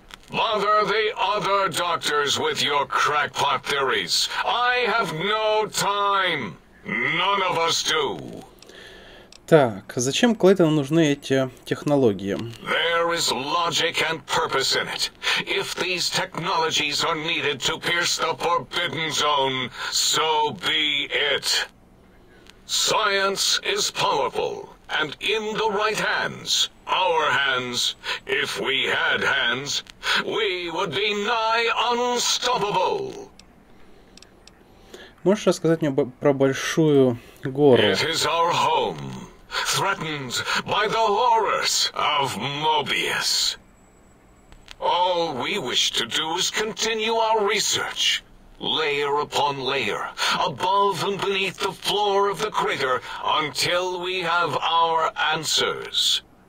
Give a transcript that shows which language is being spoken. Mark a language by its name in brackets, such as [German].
[English] Bother the other doctors with your crackpot theories. I have no time. None of us do. [Russian] Так, зачем Клейтону нужны эти технологии? [English] There is logic and purpose in it. If these technologies are needed to pierce the forbidden zone, so be it. Science is powerful. And in the right hands, our hands, if we had hands, we would be nigh unstoppable. [Russian] Можешь рассказать мне про большую гору? [English] It is our home, threatened by the horrors of Mobius. All we wish to do is continue our research. Layer upon layer, above and beneath the floor of the crater, until we have our answers.